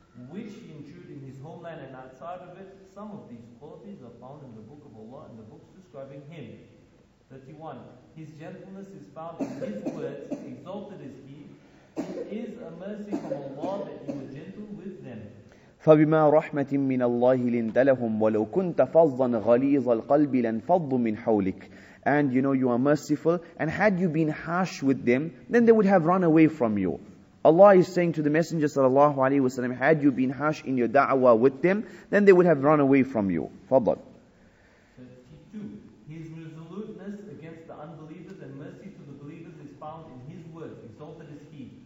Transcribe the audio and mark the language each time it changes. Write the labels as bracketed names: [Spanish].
[English] which endured in his homeland and outside of it. Some of these qualities are found in the book of Allah and the books describing him. 31. His gentleness is found in his words, exalted is he. It is a mercy from Allah that you are gentle with them. [Arabic] فبما رحمة من الله لنت لهم ولو كنت فظا غليظ القلب لانفضوا من حولك. [English] And you know you are merciful, and had you been harsh with them, then they would have run away from you. Allah is saying to the Messenger sallallahu alaihi wasallam, had you been harsh in your da'wah with them, then they would have run away from you. [Arabic] فضل. [English] 32. His resoluteness against the unbelievers and mercy to the believers is found in his words. Exalted is he.